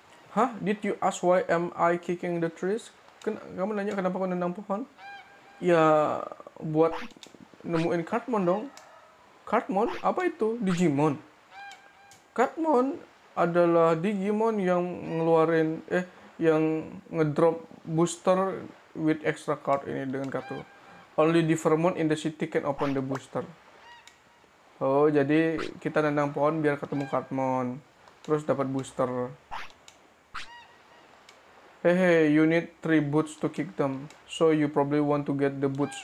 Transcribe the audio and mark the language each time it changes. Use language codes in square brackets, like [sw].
[en] Hah, did you ask why am I kicking the trees? [id] Kamu nanya kenapa kamu tendang pohon? Ya, buat nemuin Cartmon dong. Cartmon? Apa itu? Digimon. Cartmon adalah Digimon yang ngeluarin, yang ngedrop booster with extra card ini dengan kartu. [en] Only Devermon in the city can open the booster. [id] Oh, jadi kita nendang pohon biar ketemu Cartmon. Terus dapat booster. [en] Hehe, you need 3 boots to kick them. So you probably want to get the boots.